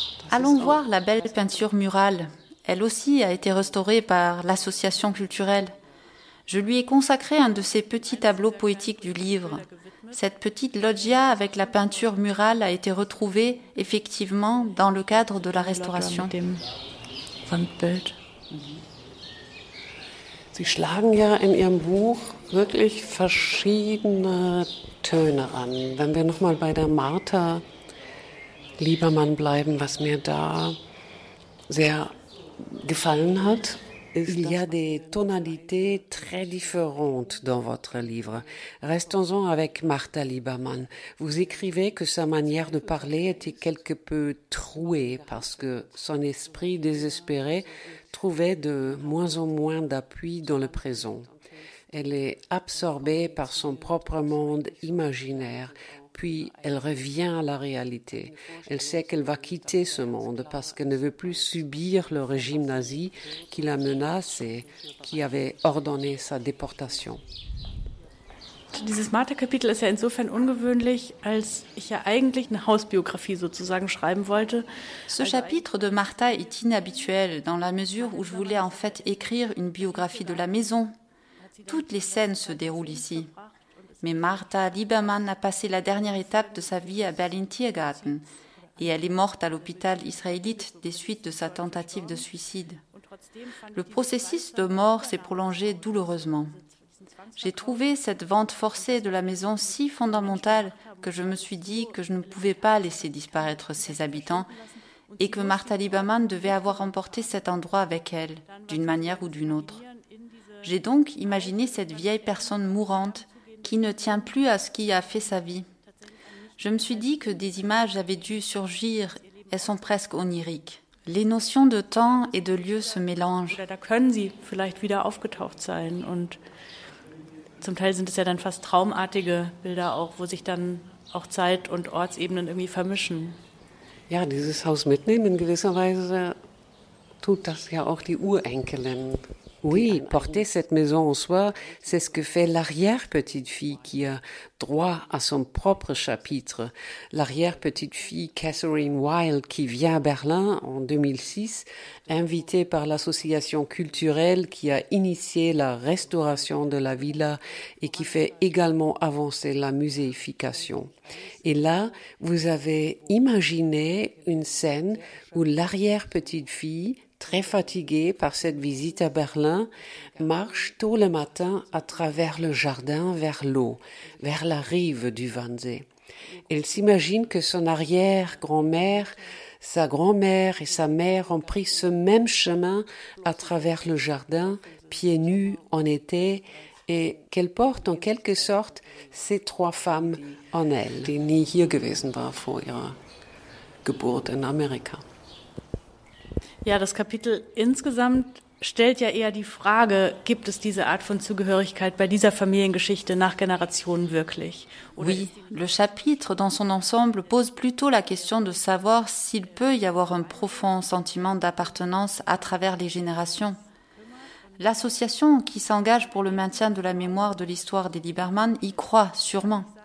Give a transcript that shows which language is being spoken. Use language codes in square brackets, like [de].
[fr] Allons voir la belle peinture murale. Elle aussi a été restaurée par l'association culturelle. Je lui ai consacré un de ces petits tableaux poétiques du livre. Cette petite loggia avec la peinture murale a été retrouvée, effectivement, dans le cadre de la restauration. [de] Sie schlagen ja in Ihrem Buch wirklich verschiedene Töne an. Wenn wir nochmal bei der Martha Liebermann bleiben, was mir da sehr gefallen hat. [fr] Il y a des tonalités très différentes dans votre livre. Restons-en avec Martha Liebermann. Vous écrivez que sa manière de parler était quelque peu trouée parce que son esprit désespéré trouvait de moins en moins d'appui dans le présent. Elle est absorbée par son propre monde imaginaire. Puis elle revient à la réalité. Elle sait qu'elle va quitter ce monde parce qu'elle ne veut plus subir le régime nazi qui la menace et qui avait ordonné sa déportation. [de] Dieses Martha-Kapitel ist ja insofern ungewöhnlich, als ich ja eigentlich eine Hausbiographie sozusagen schreiben wollte. [fr] Ce chapitre de Martha est inhabituel dans la mesure où je voulais en fait écrire une biographie de la maison. Toutes les scènes se déroulent ici. Mais Martha Liebermann a passé la dernière étape de sa vie à Berlin Tiergarten et elle est morte à l'hôpital israélite des suites de sa tentative de suicide. Le processus de mort s'est prolongé douloureusement. J'ai trouvé cette vente forcée de la maison si fondamentale que je me suis dit que je ne pouvais pas laisser disparaître ses habitants et que Martha Liebermann devait avoir emporté cet endroit avec elle, d'une manière ou d'une autre. J'ai donc imaginé cette vieille personne mourante qui ne tient plus à ce qui a fait sa vie. Je me suis dit que des images avaient dû surgir, elles sont presque oniriques. Les notions de temps et de lieu se mélangent. [de] Da können sie vielleicht wieder aufgetaucht sein und zum Teil sind es ja dann fast traumartige Bilder auch, wo sich dann auch Zeit und Ortsebenen irgendwie vermischen. Ja, dieses Haus mitnehmen in gewisser Weise tut das ja auch die Urenkelin. [fr] Oui, porter cette maison en soi, c'est ce que fait l'arrière-petite-fille qui a droit à son propre chapitre. L'arrière-petite-fille Catherine Wilde qui vient à Berlin en 2006, invitée par l'association culturelle qui a initié la restauration de la villa et qui fait également avancer la muséification. Et là, vous avez imaginé une scène où l'arrière-petite-fille très fatiguée par cette visite à Berlin, marche tôt le matin à travers le jardin vers l'eau, vers la rive du Wannsee. Elle s'imagine que son arrière-grand-mère, sa grand-mère et sa mère ont pris ce même chemin à travers le jardin, pieds nus en été, et qu'elle porte en quelque sorte ces trois femmes en elle. [de] Die nie hier gewesen war vor ihrer Geburt in Amerika. Ja, das Kapitel insgesamt stellt ja eher die Frage, gibt es diese Art von Zugehörigkeit bei dieser Familiengeschichte nach Generationen wirklich? [fr] Oui, le chapitre dans son ensemble pose plutôt la question de savoir s'il peut y avoir un profond sentiment d'appartenance à travers les générations. L'association qui s'engage pour le maintien de la mémoire de l'histoire des Liebermann y croit sûrement.